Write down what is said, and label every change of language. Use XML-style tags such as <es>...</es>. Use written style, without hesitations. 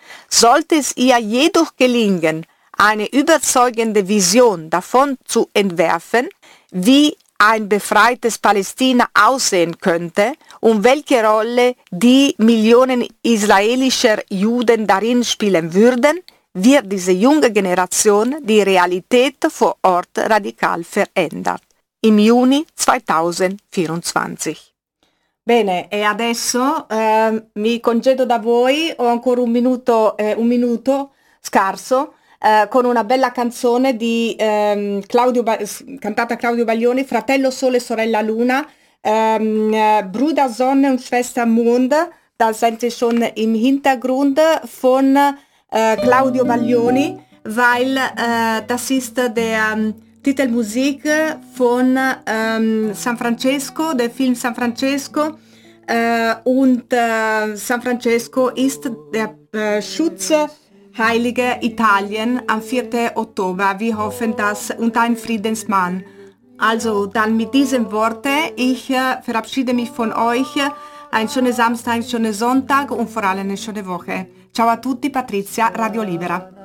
<de>Sollte es ihr jedoch gelingen, eine überzeugende Vision davon zu entwerfen, wie ein befreites Palästina aussehen könnte und welche Rolle die Millionen israelischer Juden darin spielen würden, wird diese junge Generation die Realität vor Ort radikal verändern. Im Juni 2024.</de> <it>Bene, e adesso mi congedo da voi, ho ancora un minuto scarso. con una bella canzone di cantata</it> <de>Claudio Baglioni, Fratello Sole, Sorella Luna, Bruder Sonne und Schwester Mond, da sente schon im Hintergrund von Claudio Baglioni, weil das ist der Titelmusik von San Francesco, der Film San Francesco. Und San Francesco ist der Schutzheilige Italien am 4. Oktober. Wir hoffen, dass und ein Friedensmann. Also dann mit diesen Worten, ich verabschiede mich von euch. Ein schönes Samstag, ein schönes Sonntag und vor allem eine schöne Woche.</de> <it>Ciao a tutti, Patrizia, Radio Libera.</it>